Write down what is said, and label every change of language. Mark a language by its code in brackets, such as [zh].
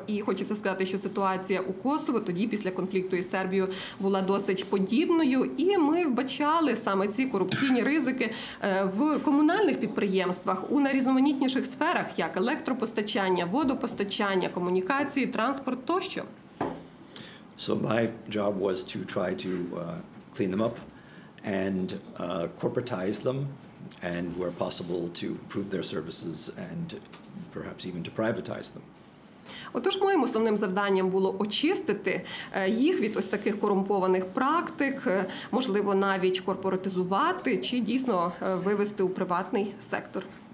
[uk] І хочеться сказати, що ситуація у Косово тоді, після конфлікту із Сербією, була досить подібною. І ми вбачали саме ці корупційні ризики в комунальних підприємствах, у найрізноманітніших сферах, як електропостачання, водопостачання, комунікації, транспорт тощо. [en] So my job was to try to clean them up and corporatize them and where possible to improve their services and perhaps even to privatize them. [uk] Отож, моїм основним завданням було очистити їх від ось таких корумпованих практик, можливо, навіть корпоратизувати чи дійсно вивести у приватний сектор.